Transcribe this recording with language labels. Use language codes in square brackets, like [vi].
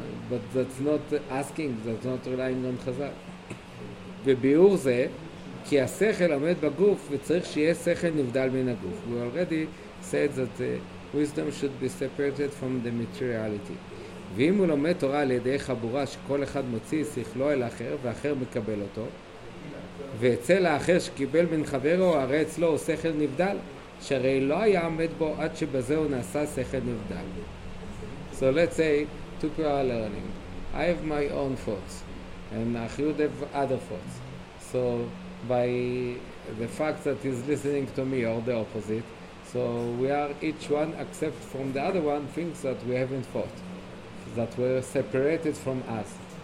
[en] But that's not asking, that's not relying on Chazal. [he] וביאור זה, כי השכל עומד בגוף וצריך שיהיה שכל נבדל מן הגוף. [en] We already said that wisdom should be separated from the materiality. [he] ואם הוא לומד תורה על ידי חבורה שכל אחד מוציא שכלו אל אחר ואחר מקבל אותו, ואצא לאחר שקיבל מן חברו, הרי אצלו הוא שכל נבדל, שהרי לא היה עמד בו עד שבזה הוא נעשה שכל נבדל. [en] So let's say, two people are learning. I have my own thoughts, and Achyud have other thoughts. So by the fact that he's listening to me, or the opposite, so we are each one accept from the other one things that we haven't thought, that were separated from us.